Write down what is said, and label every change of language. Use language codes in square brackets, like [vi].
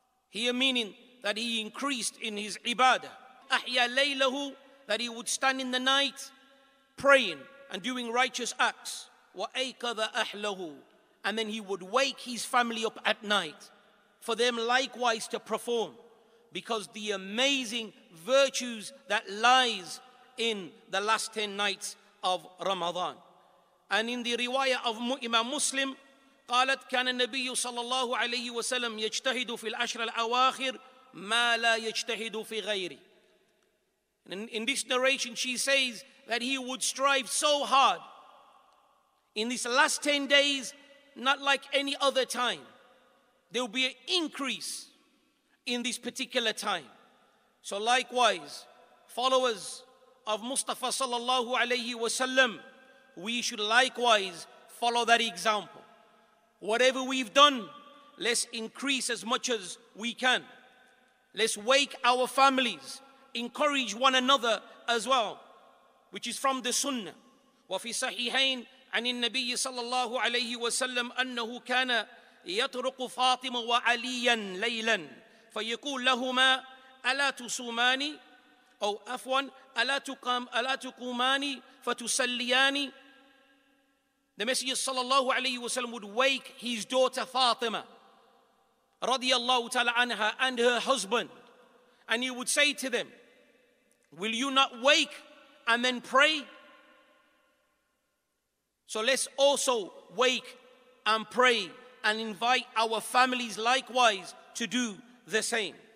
[en] Here meaning that he increased in his ibadah. [ar] Ahya laylahu, [en] that he would stand in the night praying and doing righteous acts. [ar] Wa aykadha ahlahu, [en] and then he would wake his family up at night for them likewise to perform, because the amazing virtues that lies in the last 10 nights of Ramadan. And in the riwayah of Imam Muslim, [ar] قالت كان النبي صلى الله عليه وسلم يجتهد في العشر الأواخر ما لا يجتهد في غيره. [en] In this narration, she says that he would strive so hard in these last 10 days, not like any other time. There will be an increase in this particular time. So likewise, followers of Mustafa sallallahu alayhi wa sallam, we should likewise follow that example. Whatever we've done, let's increase as much as we can. Let's wake our families, encourage one another as well, which is from the sunnah. [ar] وفي صحيحين عن النبي صلى الله عليه وسلم أنه كان يطرق فاطمة وعليا ليلا فيقول لهما ألا تصوماني أو عفوا ألا تقوماني فتسلياني. [en] The Messenger [ar] صلى الله عليه وسلم [en] would wake his daughter Fatima [ar] رضي الله تعالى عنها [en] and her husband, and he would say to them, will you not wake and then pray? So let's also wake and pray and invite our families likewise to do the same.